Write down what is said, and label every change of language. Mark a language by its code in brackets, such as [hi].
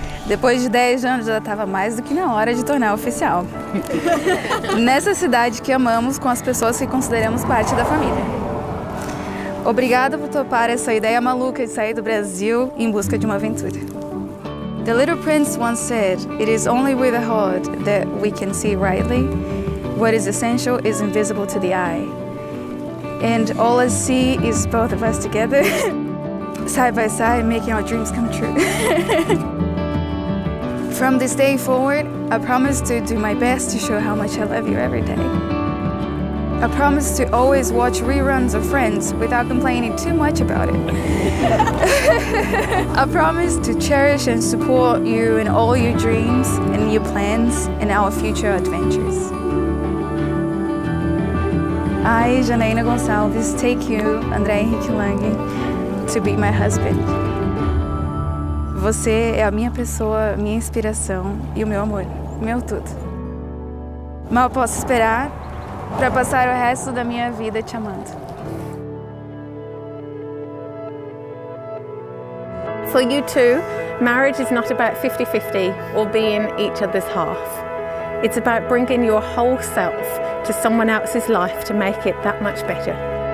[pt] Depois de 10 anos, já estava mais do que na hora de tornar oficial. Nessa cidade que amamos, com as pessoas que consideramos parte da família. Obrigada por topar essa ideia maluca de sair do Brasil em busca de uma aventura. [en] The little prince once said, "It is only with a heart that we can see rightly. What is essential is invisible to the eye. And all I see is both of us together." Side by side, making our dreams come true. From this day forward, I promise to do my best to show how much I love you every day. I promise to always watch reruns of Friends without complaining too much about it. I promise to cherish and support you in all your dreams and your plans and our future adventures. I, Janaina Gonçalves, take you, André Henrique Lange, to be my husband. [pt] Você é a minha pessoa, minha inspiração e o meu amor, meu tudo. Mal posso esperar para passar o resto da minha vida te amando. [en] For you two, marriage is not about 50-50 or being each other's half. It's about bringing your whole self to someone else's life to make it that much better.